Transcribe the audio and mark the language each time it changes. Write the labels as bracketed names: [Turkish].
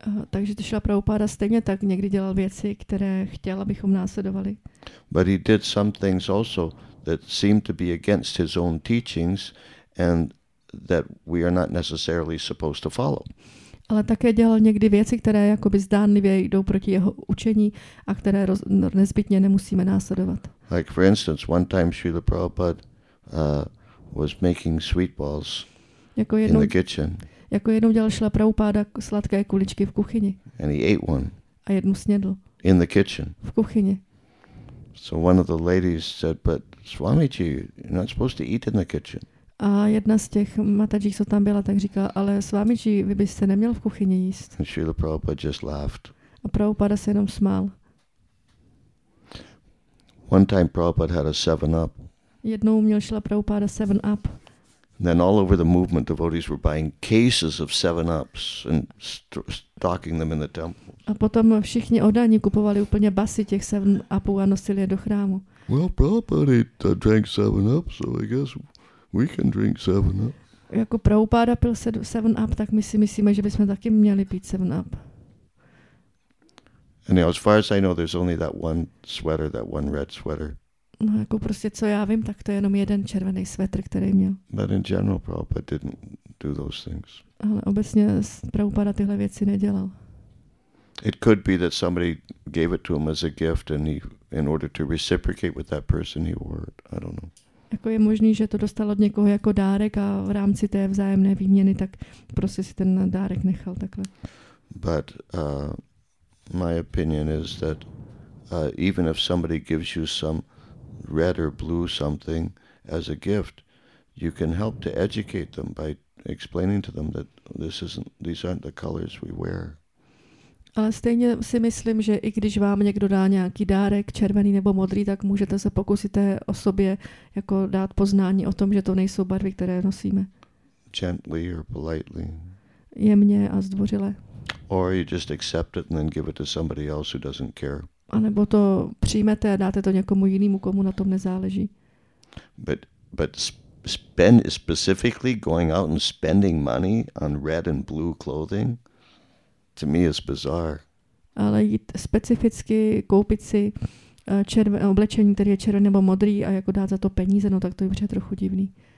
[Czech] Takže Srila Prabhupada stejně tak někdy dělal věci, které chtěl, abychom následovali. [English] But he did some things also that seemed to be against his own teachings and that we are not necessarily supposed to follow. [Czech] Ale také dělal někdy věci, které jakoby zdánlivě jdou proti jeho učení a které nezbytně nemusíme následovat. [English] Like for instance, one time Srila Prabhupada was making sweet balls in the kitchen. [Czech] Jako jednou dělal Srila Prabhupada sladké kuličky v kuchyni. [English] And he ate one. [Czech] A jednu snědl. [English] In the kitchen. [Czech] V kuchyni. [English] So one of the ladies said, but Swamiji, you're not supposed to eat in the kitchen. [Czech] A jedna z těch matadží, co tam byla, tak říkala, ale Swamiji, vy byste neměl v kuchyni jíst. [English] And Srila Prabhupada just laughed. [Czech] A Prabhupada se jenom smál. [English] One time Prabhupada had a 7-up. [Czech] Jednou měl Srila Prabhupada 7-up. [English] Then all over the movement, devotees were buying cases of 7-ups and stocking them in the temple. [Czech] A potom všichni oddaní kupovali úplně basy těch 7-upů a nosili je do chrámu. [English] Well, Prabhupada drank 7-up, so I guess we can drink 7-up. [Czech] Jako Prabhupada pil 7-up, tak my si myslíme, že bychom taky měli pít 7-up. [English] And now, as far as I know, there's only that one sweater, that one red sweater. [Czech] No, jako prostě, co já vím, tak to je jenom jeden červený svetr, který měl. [English] But in general, Prabhupada didn't do those things. [Czech] Ale obecně Prabhupada tyhle věci nedělal. [English] It could be that somebody gave it to him as a gift and he, in order to reciprocate with that person, he wore it. I don't know. [Czech] Jako je možný, že to dostal od někoho jako dárek a v rámci té vzájemné výměny, tak prostě si ten dárek nechal takhle. [English] But my opinion is that even if somebody gives you some red or blue something as a gift, you can help to educate them by explaining to them that these aren't the colors we wear. [Czech] Ale stejně si myslím, že i když vám někdo dá nějaký dárek, červený nebo modrý, tak můžete se pokusit té osobě jako dát poznání o tom, že to nejsou barvy, které nosíme. [English] Gently or politely. [Czech] Jemně a zdvořile. [English] Or you just accept it and then give it to somebody else who doesn't care. [Czech] A nebo to přijmete a dáte to někomu jinému, komu na tom nezáleží. [English] But spend specifically going out and spending money on red and blue clothing. To me is bizarre. [Czech] Ale jít specificky koupit si oblečení, které je červené nebo modrý a jako dát za to peníze, no tak to je trochu divný.